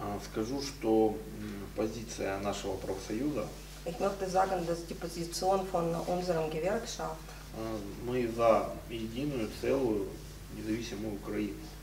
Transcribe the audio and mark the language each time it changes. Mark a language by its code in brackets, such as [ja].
[ru] Скажу, что позиция нашего профсоюза. [de] Ich möchte sagen, dass die Position von unserem Gewerkschaft. [ru] Мы за единую, целую, независимую Украину.